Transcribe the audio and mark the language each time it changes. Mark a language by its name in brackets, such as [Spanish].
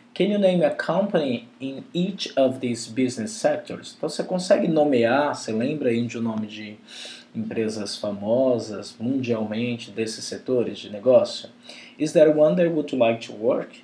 [English] Can you name a company in each of these business sectors? [Portuguese] Então você consegue nomear, você lembra aí de um nome de empresas famosas mundialmente desses setores de negócio? [English] Is there one that would you like to work?